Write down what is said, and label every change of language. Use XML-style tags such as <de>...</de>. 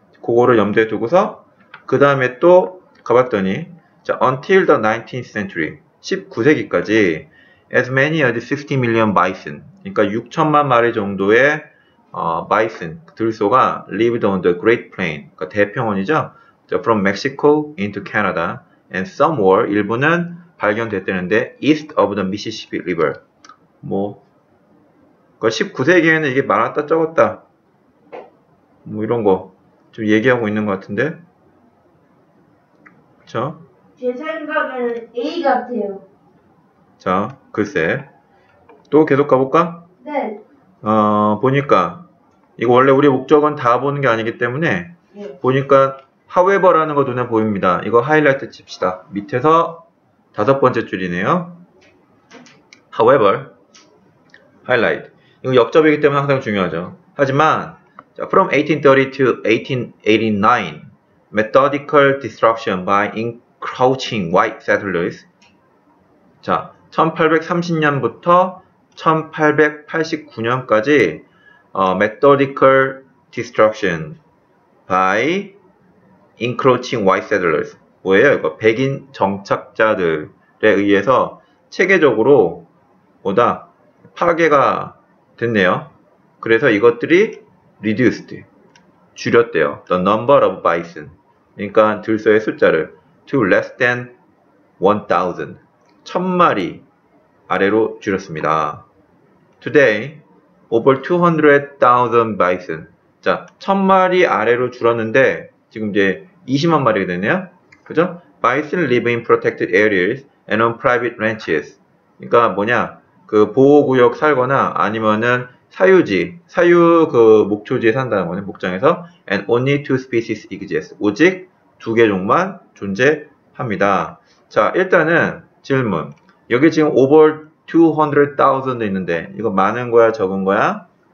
<en>그거를 염두에 두고서 그 다음에 또 가봤더니 자, until the 19th century,</en> <ko>19세기까지</ko> <en>as many as 60 million bison,</en> <ko>그러니까 6천만 마리 정도의 바이슨, 들소가</ko> <en>lived on the Great Plain,</en> <ko>그러니까 대평원이죠.</ko> <en>From Mexico into Canada and some were</en> <ko>일부는 발견됐다는데</ko> <en>east of the Mississippi River.</en> <ko>뭐 19세기에는 이게 많았다 적었다 뭐 이런 거좀 얘기하고 있는 것 같은데, 그쵸? 제 생각에는 A 같아요. 자, 글쎄 또 계속 가볼까? 네. 보니까 이거 원래 우리 목적은 다 보는 게 아니기 때문에 예. 보니까 however라는 거 눈에 보입니다. 이거 하이라이트 칩시다. 밑에서 다섯 번째 줄이네요.</ko> <en>however, highlight.</en> <ko>이거 역접이기 때문에 항상 중요하죠. 하지만, 자,</ko> <en>from 1830 to 1889, methodical destruction by encroaching white settlers.</en> <ko>자, 1830년부터 1889년까지,</ko> <en>methodical destruction by encroaching white settlers.</en> <ko>뭐예요? 이거 백인 정착자들에 의해서 체계적으로 뭐다? 파괴가 됐네요. 그래서 이것들이</ko> <en>reduced,</en> <ko>줄였대요.</ko> <en>The number of bison.</en> <ko>그러니까 들소의 숫자를</ko> <en>to less than 1000.</en> <ko>1000마리 아래로 줄였습니다.</ko> <en>Today, over 200,000 bison.</en> <ko>자, 1000마리 아래로 줄었는데 지금 이제 20만 마리가 됐네요. 그죠?</ko> <en>Bison live in protected areas and on private ranches.</en> <ko>그러니까 뭐냐? 그 보호구역 살거나 아니면은 사유 그 목초지에 산다는 거네, 목장에서.</ko> <en>And only two species exist.</en> <ko>오직 두개 종만 존재합니다. 자, 일단은 질문. 여기 지금 over 200,000도 있는데, 이거 많은 거야, 적은 거야?</ko>